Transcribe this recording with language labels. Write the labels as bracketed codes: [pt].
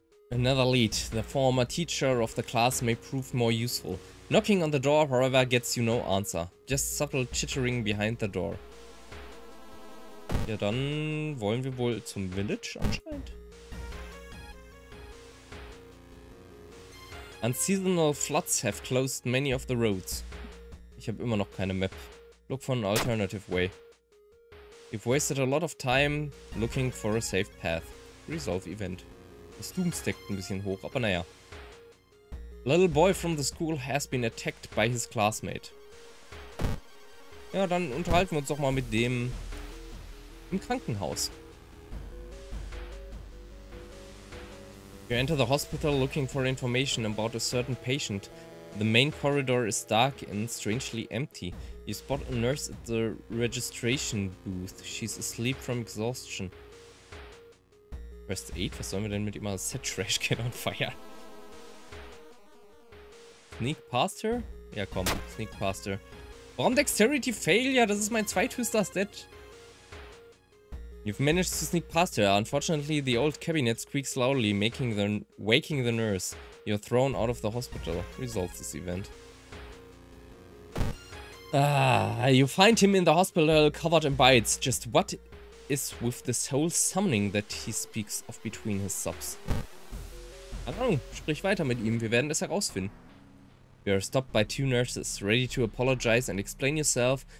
[en] Another lead. The former teacher of the class may prove more useful. Knocking on the door, however, gets you no answer. Just subtle chittering behind the door. [de] Ja, dann wollen wir wohl zum Village anscheinend. [en] Unseasonal floods have closed many of the roads. [de] Ich habe immer noch keine Map. [en] Look for an alternative way. You've wasted a lot of time looking for a safe path. Resolve event. [de] Das Doom steckt ein bisschen hoch, aber naja. [en] Little boy from the school has been attacked by his classmate. [de] Ja, dann unterhalten wir uns doch mal mit dem im Krankenhaus. [en] You enter the hospital looking for information about a certain patient. The main corridor is dark and strangely empty. You spot a nurse at the registration booth. She's asleep from exhaustion. Rest 8? [de] Was sollen wir denn mit ihm mal? [en] Set trash can on fire. Sneak past her? [de] Ja komm, [en] sneak past her. [de] Warum [en] Dexterity Failure? [de] Das ist mein zweithöchster Stat. [en] You've managed to sneak past her. Unfortunately, the old cabinet squeaks loudly, waking the nurse. You're thrown out of the hospital. Resolve this event. You find him in the hospital covered in bites. Just what is with the soul summoning that he speaks of between his sobs? [de] Keine Ahnung, sprich weiter mit ihm, wir werden es herausfinden. [en] You are stopped by two nurses, ready to apologize and explain yourself.